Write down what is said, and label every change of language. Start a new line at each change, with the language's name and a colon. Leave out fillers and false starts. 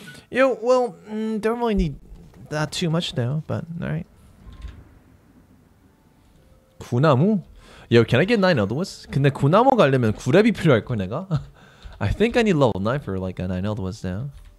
English: Yo, well, don't really need that too much though, but alright. 구나무? Yo, can I get 9 Eldwas?
Korean: 근데 구나무 가려면 구랩이 필요할 거 내가?
English: I think I need level 9 for like a 9 Eldwas now.